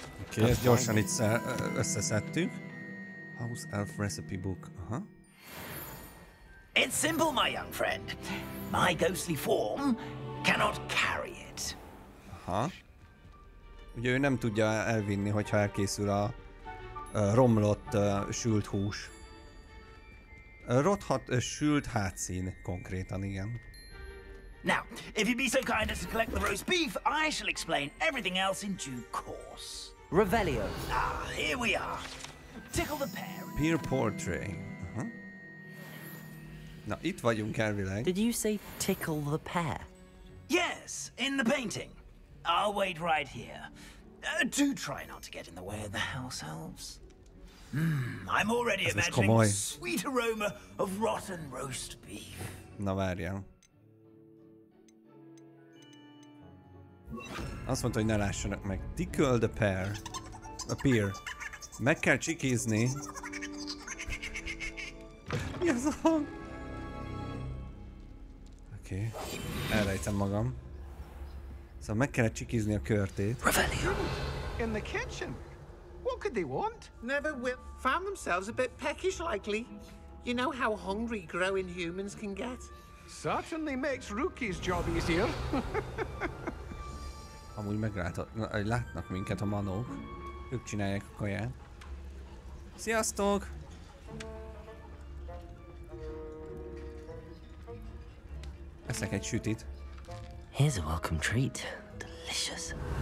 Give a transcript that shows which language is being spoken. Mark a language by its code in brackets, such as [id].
[hu] Okay, ezt gyorsan itt összeszedtük. [en] House Elf Recipe Book. It's simple, my young friend. My ghostly form cannot carry it. [hu] Ugye ő nem tudja elvinni, hogyha elkészül a romlott sült hús. Rothat sült hátszín konkrétan, igen. [en] Now, if you'd be so kind as to collect the roast beef, I shall explain everything else in due course. Revelio. Ah, here we are. Tickle the pear. Peer portrait. [hu] Na, itt vagyunk elvileg. [en] Did you say tickle the pear? Yes, in the painting. I'll wait right here. Do try not to get in the way of the house elves. I'm already [hu] ez [en] imagining [hu] komoly. [en] The sweet aroma of rotten roast beef. [hu] Na, várjál. Azt mondta, hogy ne lássanak meg. [en] Tickle the pear. A pear. [hu] Meg kell csikizni. Mi az a hang? Oké. Elrejtem magam. Szóval meg kellett csikizni a körtét. [en] In the kitchen. What could they want? Never will found themselves a bit peckish likely. You know how hungry growing humans can get. Certainly makes Rookie's job easier. [hu] Amúgy látnak minket a manók. Ők csinálják a kaját. Sziasztok! Eszek egy sütit. [en] Here's a welcome treat. Delicious.